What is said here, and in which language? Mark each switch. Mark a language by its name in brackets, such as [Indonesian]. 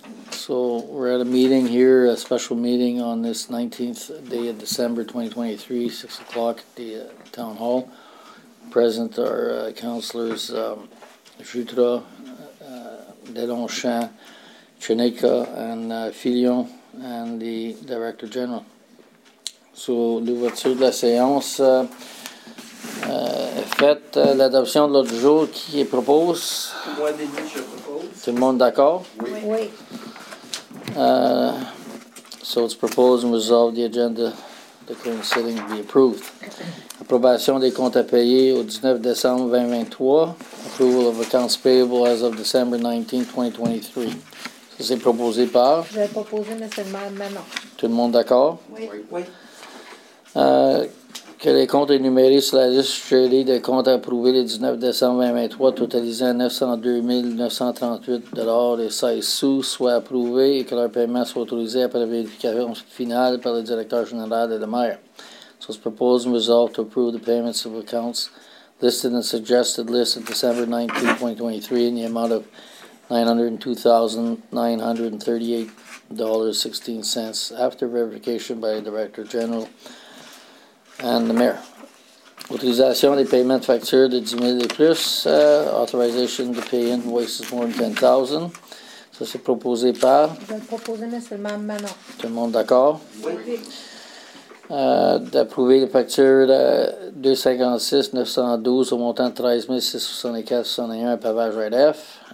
[English] So we're at a meeting here, a special meeting on this 19th day of December 2023, 6 o'clock at the town hall. Present are councillors Jutra, Delonchamp, Trinica, and Fillion, and the director general. [French] So, l'ouverture de la séance est faite, l'adoption de l'ordre du jour qui est propose. Moi, Denis, je propose. Tout le monde d'accord? Oui. [English] So it's proposed and resolved the agenda, the current sitting be approved. [French] Approbation des comptes à payer au 19 décembre 2023. [English] Approval of accounts payable as of December 19, 2023. [French] Ça, c'est proposé par? Je vais proposer, mais seulement maintenant. Tout le monde d'accord? Oui. Que les comptes énumérés sur la liste chérie des comptes approuvés le 19 décembre 2023 totalisant 902 938 $16 soient approuvés et que leur paiement soit autorisé après la vérification finale par le directeur général et le maire. [English] So it's proposed and resolved to approve the payments of accounts listed in the suggested list of December 19, 2023 in the amount of $902,938.16 after verification by the director general and the mayor. [French] Autorisation des paiements de facture de 10 000 et plus. [English] Authorization to pay invoices more than 10,000. [French] Ça, c'est proposé par? Je vais proposer, mais seulement maintenant. Tout le monde d'accord? Oui. D'approuver les factures 256,912 au montant de 13,664,61 à Pavage Red F.